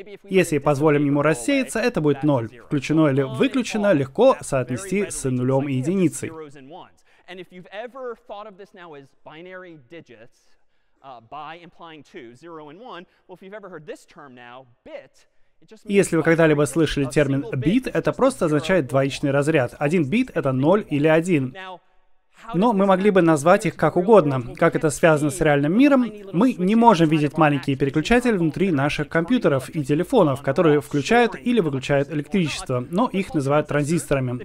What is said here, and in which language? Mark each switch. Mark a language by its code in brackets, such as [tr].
[ru] Если позволим ему рассеяться, это будет ноль. Включено или выключено, легко соотнести с нулем и единицей. [en] And if you've ever thought of this now as binary digits, by implying two, zero and one, well, if you've ever heard this term now, bit. [ru] Если вы когда-либо слышали термин бит, это просто означает двоичный разряд. Один бит — это ноль или один. Но мы могли бы назвать их как угодно. Как это связано с реальным миром? Мы не можем видеть маленькие переключатели внутри наших компьютеров и телефонов, которые включают или выключают электричество, но их называют транзисторами.